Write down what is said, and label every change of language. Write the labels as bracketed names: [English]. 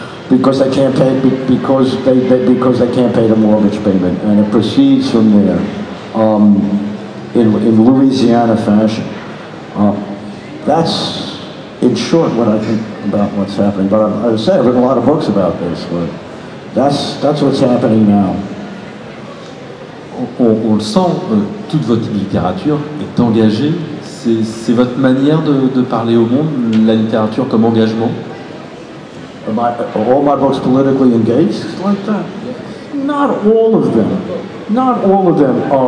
[English] Because they can't pay, because they can't pay the mortgage payment, and it proceeds from there, in Louisiana fashion. That's in short what I think about what's happening. But I would say I've written a lot of books about this. But that's what's happening now. [French] On le sent, toute votre littérature est engagée. C'est votre manière de parler au monde, la littérature comme engagement. [English] Are all my books politically engaged like that? Not all of them. Not all of them.